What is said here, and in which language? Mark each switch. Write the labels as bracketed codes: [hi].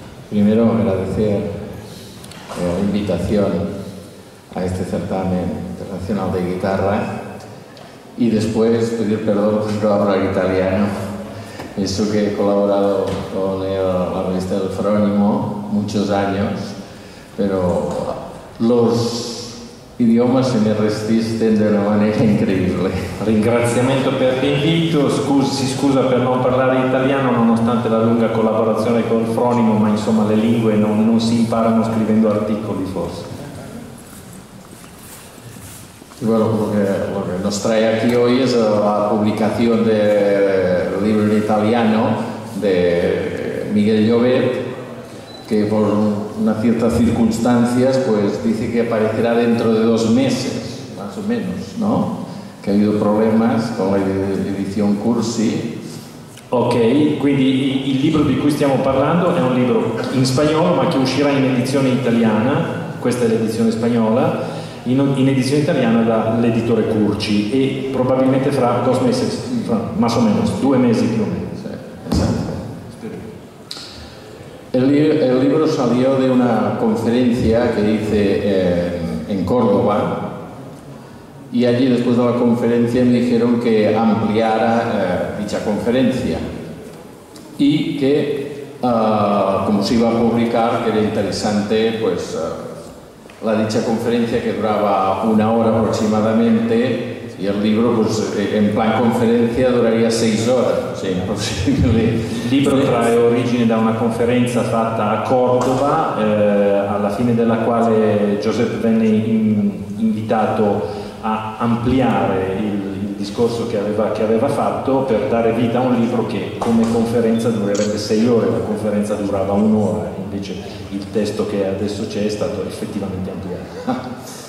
[es] Primero, agradecer la invitación a este certamen internacional de guitarra y después pedir perdón por no hablar italiano. Eso que he colaborado con la revista El Frónimo muchos años, pero los idiomas se me resisten de una manera increíble. [it] Ringraziamento per l'invito, si scusa per non parlare italiano nonostante la lunga collaborazione con Frónimo, ma insomma le lingue non si imparano scrivendo articoli forse. [es] Y bueno, lo que nos trae aquí hoy es la publicación del libro en italiano de Miguel Llobet, que por unas ciertas circunstancias pues dice que aparecerá dentro de 2 meses, más o menos, ¿no? Que ha habido problemas con la edición Cursi. [it] Ok, quindi il libro di cui stiamo parlando è un libro in spagnolo ma che uscirà in edizione italiana, questa è l'edizione spagnola, in edizione italiana dall'editore Curci e probabilmente fra 2 mesi, [es] más o menos, [it] 2 mesi più o meno. Sì, esatto. Il libro [es] salió de una conferencia che hice in Córdoba y allí después de la conferencia me dijeron que ampliara dicha conferencia y que como se iba a publicar que era interesante pues la dicha conferencia que duraba 1 hora aproximadamente y el libro pues en plan conferencia duraría 6 horas. Sí, posible. El libro trae [it] origine da una conferenza fatta a Córdoba alla fine della quale Joseph venne invitato a ampliare il discorso che aveva fatto per dare vita a un libro che come conferenza durerebbe 6 ore, la conferenza durava 1 ora, invece il testo che adesso c'è è stato effettivamente ampliato.